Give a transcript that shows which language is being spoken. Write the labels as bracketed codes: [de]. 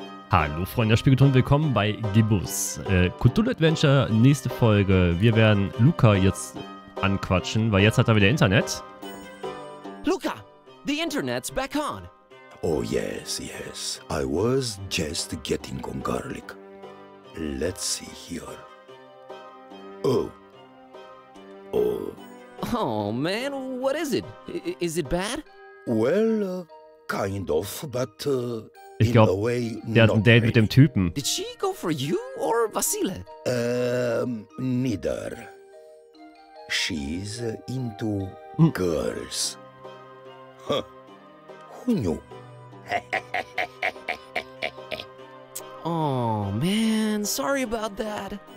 [de] Hallo Freunde der Spiegelton, willkommen bei Gibbous. Cthulhu Adventure, nächste Folge. Wir werden Luca jetzt anquatschen, weil jetzt hat er wieder Internet. [en] Luca, the Internet's back on. Oh yes, yes. I was just getting on garlic. Let's see here. Oh. Oh. Oh man, what is it? Is it bad? Well, kind of, but... [de] Ich glaube, der hat ein Date mit dem Typen. [en] Did she go for you or Vasile? Neither. She's into girls. Huh. Who knew? Oh, man. Sorry about that.